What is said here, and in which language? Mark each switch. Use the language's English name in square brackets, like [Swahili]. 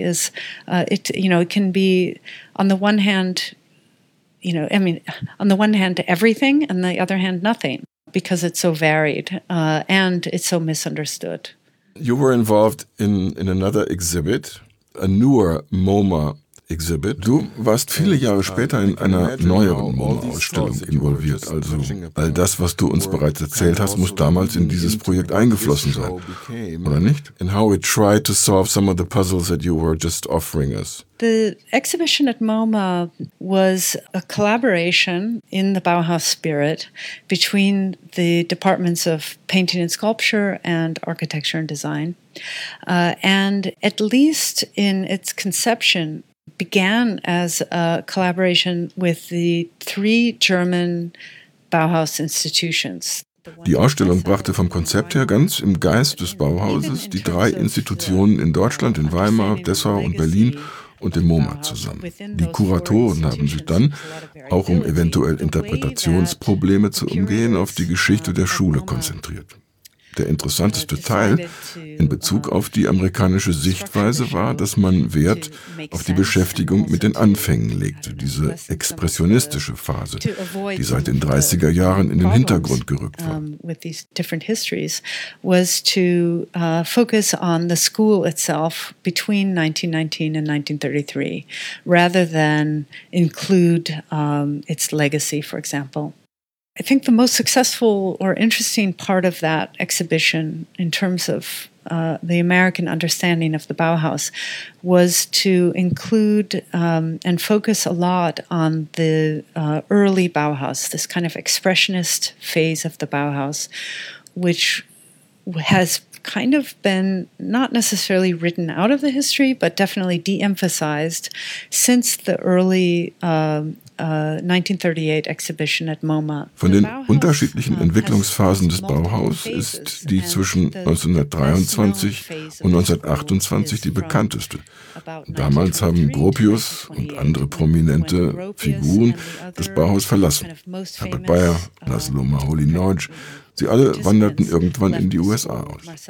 [English] Is it, you know, it can be on the one hand, you know, I mean, on the one hand everything, and the other hand nothing, because it's so varied and it's so misunderstood. You were involved in another exhibit, a newer MoMA Exhibit. [German] Du warst viele Jahre später in einer neueren MoMA-Ausstellung involviert. Also all das, was du uns bereits erzählt hast, muss damals in dieses Projekt eingeflossen sein, oder nicht? [English] And how it tried to solve some of the puzzles that you were just offering us. The exhibition at MoMA was a collaboration in the Bauhaus spirit between the departments of painting and sculpture and architecture and design. And at least in its conception, began as a collaboration with the three German Bauhaus institutions. [German] Die Ausstellung brachte vom Konzept her ganz im Geist des Bauhauses die drei Institutionen in Deutschland, in Weimar, Dessau und Berlin und im MoMA zusammen. Die Kuratoren haben sich dann, auch um eventuell Interpretationsprobleme zu umgehen, auf die Geschichte der Schule konzentriert. Der interessanteste Teil in Bezug auf die amerikanische Sichtweise war, dass man Wert auf die Beschäftigung mit den Anfängen legte, diese expressionistische Phase, die seit den 30er Jahren in den Hintergrund gerückt war. [English] With these different histories was to focus on the school itself between 1919 and 1933 rather than include its legacy, for example. I think the most successful or interesting part of that exhibition in terms of the American understanding of the Bauhaus was to include and focus a lot on the early Bauhaus, this kind of expressionist phase of the Bauhaus, which has kind of been not necessarily written out of the history, but definitely de-emphasized since the early 1938 exhibition at MoMA. [German] Von den unterschiedlichen Entwicklungsphasen des Bauhaus ist die zwischen 1923 und 1928 die bekannteste. Damals haben Gropius und andere prominente Figuren das Bauhaus verlassen. Herbert Bayer, Laszlo Maholy-Nagy, sie alle wanderten irgendwann in die USA aus.